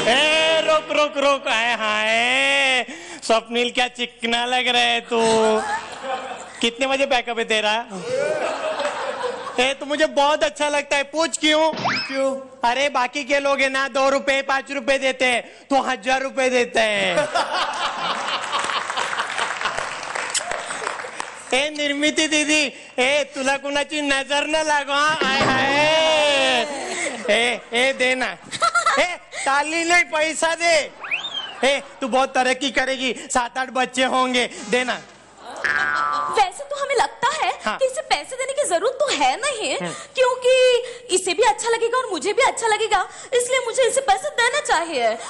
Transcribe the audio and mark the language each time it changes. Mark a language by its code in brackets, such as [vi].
[hi] ए रुक रुक रुक आए हाय स्वप्निल क्या चिकना लग रहे है तू. कितने बजे बैकअप है तेरा. ए तो मुझे बहुत अच्छा लगता है. पूछ क्यों क्यों. अरे बाकी के लोग है ना 2 रुपए 5 रुपए देते हैं, तू 1000 रुपए देते हैं. [mr] ए निर्मिती दीदी ए तुला कुणाची नजर न लागो. [hi] ए देना ए ताली नहीं पैसा दे. ए तू बहुत तरक्की करेगी 7-8 बच्चे होंगे देना. वैसे तो हमें लगता है कि इसे पैसे देने की जरूरत तो है नहीं क्योंकि इसे भी अच्छा लगेगा और मुझे भी अच्छा लगेगा, इसलिए मुझे इसे पैसे देना चाहिए.